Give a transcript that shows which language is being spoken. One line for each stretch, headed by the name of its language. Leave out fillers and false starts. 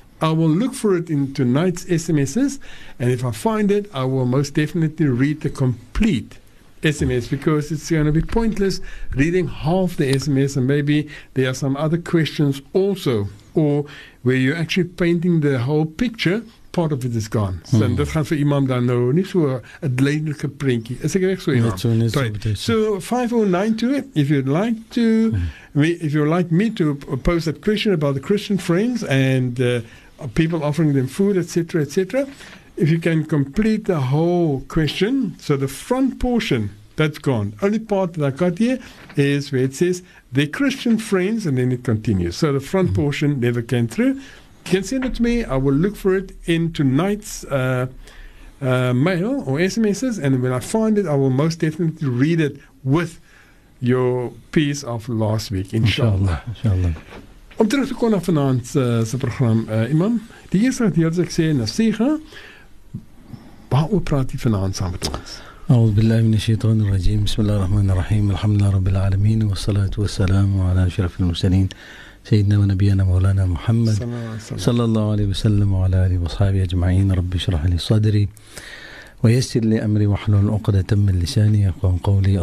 English: I will look for it in tonight's SMSs, and if I find it, I will most definitely read the complete SMS, because it's going to be pointless reading half the SMS, and maybe there are some other questions also, or where you're actually painting the whole picture, part of it is gone. So that
Afrikaans: gaan vir imam dan nou nie so 'n duidelike prentjie. Is ek reg so imam? Net so, net so.
English: So 5092, if you'd like to, if you'd like me to pose that question about the Christian friends and people offering them food, etc., etc., if you can complete the whole question, so the front portion, that's gone. Only part that I got here is where it says, they're Christian friends, and then it continues. So the front portion never came through. You can send it to me. I will look for it in tonight's mail or SMSs, and when I find it, I will most definitely read it with your piece of last week,
Arabic: inshallah.
Afrikaans: Om terug te kom na vanaand se program, imam, die eerste wat jy sê, nasiha, waarom praat jy vanaand saam met ons?
Arabic: أعوذ بالله من الشيطان الرجيم. بسم الله الرحمن الرحيم. الحمد لله رب العالمين والصلاة والسلام على أشرف المرسلين سيدنا ونبينا مولانا محمد صلى الله عليه وسلم وعلى آله وصحبه أجمعين. رب اشرح لي صدري ويسر لي أمري واحلل عقدة من لساني يفقهوا قولي.